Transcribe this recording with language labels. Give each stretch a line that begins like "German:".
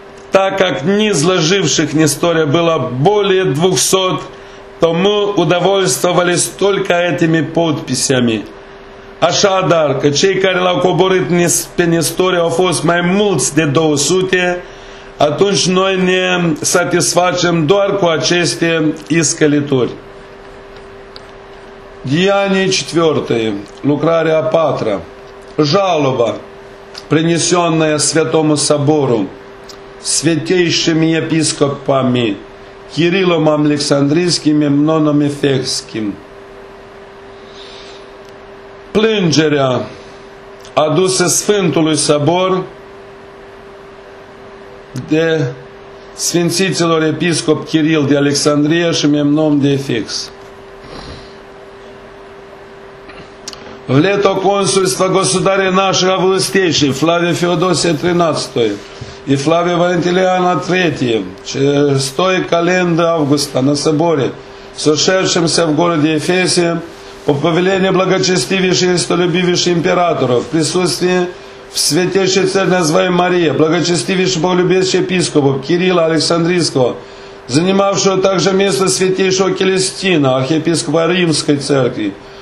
Russian: Так как низложивших Нестория было более 200, то мы удовольствовались только этими подписями.
Romanian: Așadar, că cei care l-au coborât pe Nestoria au fost mai mulți de 200, atunci noi ne satisfacem doar cu aceste iscălituri.
Russian: Деяние 4,
Romanian: lucrarea a 4-a,
Russian: жалоба, принесенная Святому Собору, святейшими епископами Кириллом Александрийским и Мемноном Ефесским.
Romanian: Плângерea adusă Sfântului Sabor de Sfințiților Episcop Kiril de Alexandria și Memnon de Efex.
Russian: В лето консульства государя нашего властейшего Флавия Феодосия XIII и Флавия Валентилиана III, шестой календарь августа на соборе, сошедшемся в городе Эфесе, по повелению благочестивейшей и истолюбивейшей императора, в присутствии в святейшей церкви, называемой Мария, благочестивейшей боголюбящей епископа Кирилла Александрийского, занимавшего также место святейшего Келестина, архиепископа Римской церкви,